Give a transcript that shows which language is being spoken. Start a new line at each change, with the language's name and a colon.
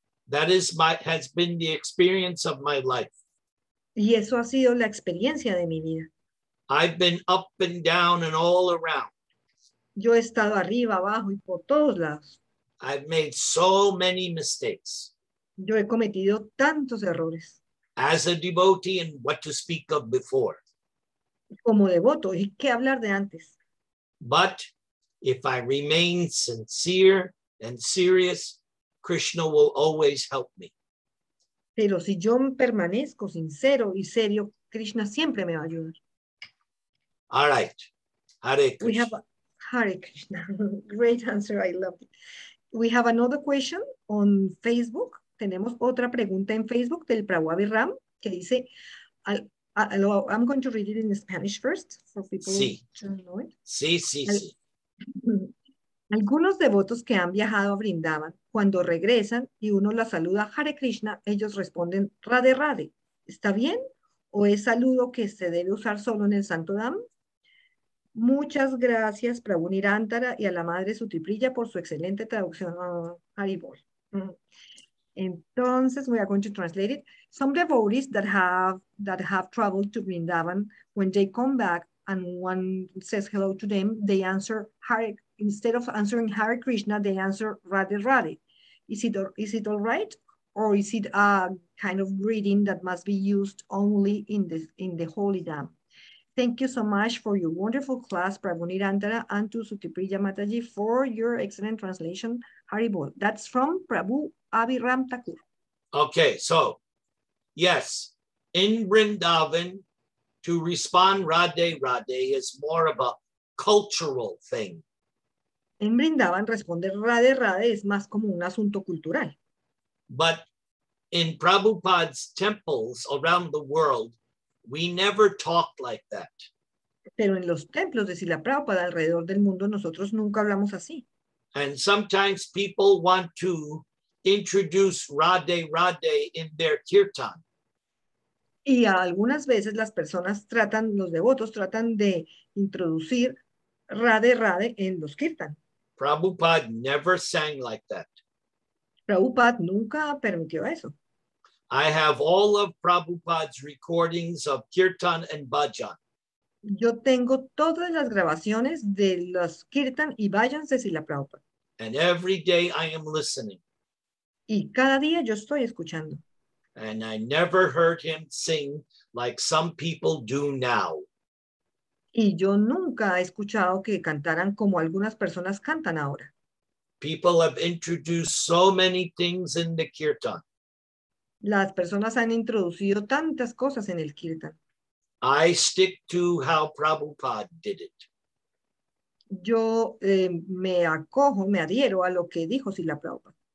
English: That is my has been the experience of my life.
Spanish: Y eso ha sido la experiencia de mi vida.
English: I've been up and down and all around.
Spanish: Yo he estado arriba, abajo y por todos lados.
English: I've made so many mistakes.
Spanish: Yo he cometido tantos errores.
English: As a devotee and what to speak of before.
Spanish: Como devoto, ¿y qué hablar de antes?
English: But if I remain sincere and serious, Krishna will always help me.
Spanish: Pero si yo permanezco sincero y serio, Krishna siempre me va a ayudar.
English: All right. Hare Krishna. We have Hare Krishna. Great answer. I love it. We have another question on Facebook.
Spanish: Tenemos otra pregunta en Facebook del Prabhupada Ram que dice,
English: I'm going to read it in Spanish first for people
Spanish: sí.
English: to know it.
Spanish: Sí, sí, Algunos devotos que han viajado a Vrindavan, cuando regresan y uno la saluda Hare Krishna, ellos responden Radhe Radhe. ¿Está bien? ¿O es saludo que se debe usar solo en el Santo Dham? Muchas gracias Prabhu Nirantara y a la Madre Sutipriya por su excelente traducción a Haribol.
English: Entonces, we are going to translate it. Some devotees that have traveled to Vrindavan, when they come back and one says hello to them, they answer Hare, instead of answering Hare Krishna, they answer Radhe Radhe. Is it all right? Or is it a kind of greeting that must be used only in the Holy Dham? Thank you so much for your wonderful class, Prabhu Nirantara, and to Sutipriya Mataji for your excellent translation, Haribol. That's from Prabhu Abhiram Thakur. Okay, so, yes, in Vrindavan, to respond Radhe Radhe is more of a cultural thing.
Spanish: En Vrindavan, responder Radhe Radhe es más como un asunto cultural.
English: But in Prabhupada's temples around the world, we never talk like that.
Spanish: Pero en los templos de Srila Prabhupada alrededor del mundo, nosotros nunca hablamos así.
English: And sometimes people want to introduce Radhe Radhe in their kirtan.
Spanish: Y algunas veces las personas tratan, los devotos tratan de introducir Radhe Radhe en los kirtan.
English: Prabhupada never sang like that.
Spanish: Prabhupada nunca permitió eso.
English: I have all of Prabhupada's recordings of kirtan and bhajan.
Spanish: Yo tengo todas las grabaciones de los kirtan y bhajans de Srila Prabhupada.
English: And every day I am listening.
Spanish: Y cada día yo estoy escuchando.
English: And I never heard him sing like some people do now.
Spanish: Y yo nunca he escuchado que cantaran como algunas personas cantan ahora.
English: People have introduced so many things in the kirtan.
Spanish: Las personas han introducido tantas cosas en el kirtan.
English: I stick to how Prabhupada did it.
Spanish: Yo me adhiero a lo que dijo Srila Prabhupada.